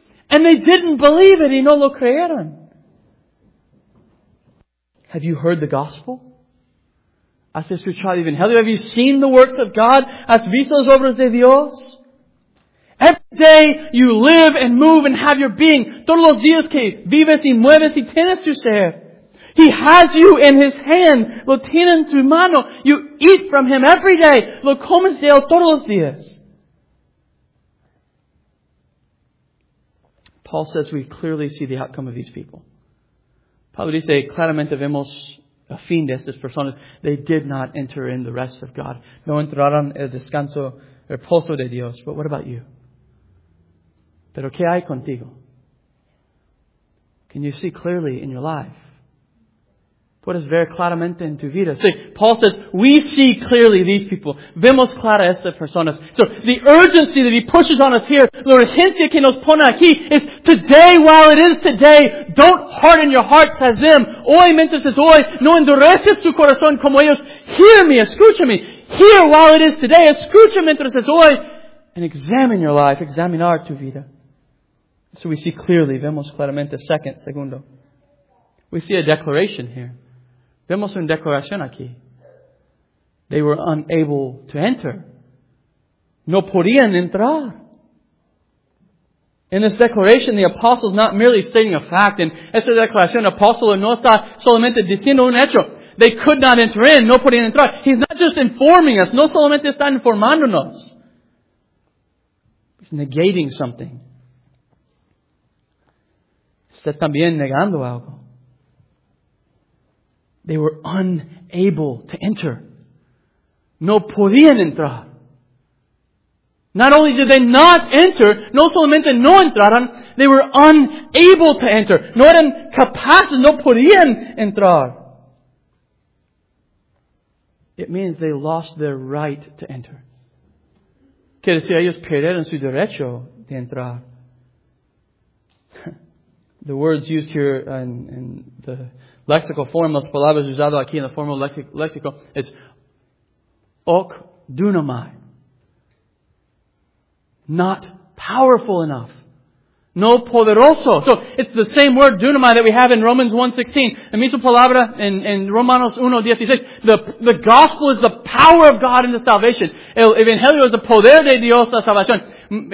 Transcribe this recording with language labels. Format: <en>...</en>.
<en>And they didn't believe it.</en> <es>Y no lo creyeron.</es> <en>Have you heard the gospel?</en> <es>¿Has escuchado el evangelio?</es> <en>Have you seen the works of God?</en> <es>¿Has visto las obras de Dios?</es> <en>Every day you live and move and have your being.</en> <es>Todos los días que vives y mueves y tienes tu ser.</es> <en>He has you in his hand.</en> <es>Lo tiene en su mano.</es> <en>You eat from him every day.</en> <es>Lo comes de él todos los días.</es> <en>Paul says we clearly see the outcome of these people.</en> <es>Pablo dice, claramente vemos a fin de estas personas.</es> <en>They did not enter in the rest of God.</en> <es>No entraron el descanso, el reposo de Dios.</es> <en>But what about you?</en> <es>Pero ¿qué hay contigo?</es> <en>Can you see clearly in your life?</en> <es>Puedes ver claramente en tu vida.</es> <en>See, Paul says, we see clearly these people.</en> <es>Vemos clara estas personas.</es> <en>So, the urgency that he pushes on us here,</en> <es>la urgencia que nos pone aquí,</es> <en>is today while it is today, don't harden your hearts as them.</en> <es>Hoy mientras es hoy, no endureces tu corazón como ellos.</es> <en>Hear me,</en> <es>escúchame.</es> <en>Hear while it is today,</en> <es>escucha mientras es hoy.</es> <en>And examine your life,</en> <es>examinar tu vida.</es> <en>So we see clearly,</en> <es>vemos claramente, segundo.</es> <en>We see a declaration here.</en> <es>Vemos una declaración aquí.</es> <en>They were unable to enter.</en> <es>No podían entrar.</es> <en>In this declaration, the apostle is not merely stating a fact.</en> <es>In esta declaración, el apóstol no está solamente diciendo un hecho.</es> <en>They could not enter in.</en> <es>No podían entrar.</es> <en>He's not just informing us.</en> <es>No solamente está informándonos.</es> <en>He's negating something.</en> <es>Está también negando algo.</es> <en>They were unable to enter.</en> <es>No podían entrar.</es> <en>Not only did they not enter,</en> <es>no solamente no entraron,</es> <en>they were unable to enter.</en> <es>No eran capaces, no podían entrar.</es> <en>It means they lost their right to enter.</en> <es>Quiere decir, ellos perdieron su derecho de entrar.</es> <en>The words used here in the lexical form,</en> <es>las palabras usadas aquí en la forma lexical,</es> <en>it's ok dunamai. Not powerful enough.</en> <es>No poderoso.</es> <en>So it's the same word dunamai that we have in Romans 1:16.</en> <es>La misma palabra in Romanos 1:16.</es> <en>The gospel is the power of God into salvation.</en> <es>El evangelio es el poder de Dios a salvación.</es>